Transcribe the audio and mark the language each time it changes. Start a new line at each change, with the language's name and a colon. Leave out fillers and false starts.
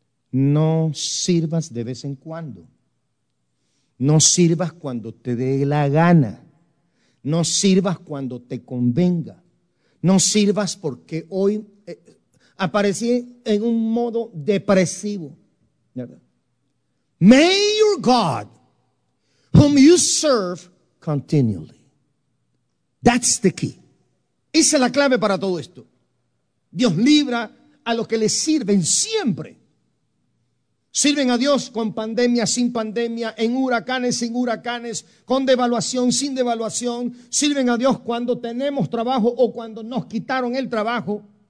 Spanish: No sirvas de vez en cuando. No sirvas cuando te dé la gana. No sirvas cuando te convenga. No sirvas porque hoy aparecí en un modo depresivo.
English: May your God, whom you serve continually. That's the key.
Spanish: Esa es la clave para todo esto. Dios libra a los que le sirven siempre. Sirven a Dios con pandemia, sin pandemia, en huracanes, sin huracanes, con devaluación, sin devaluación. Sirven a Dios cuando tenemos trabajo o cuando nos quitaron el trabajo.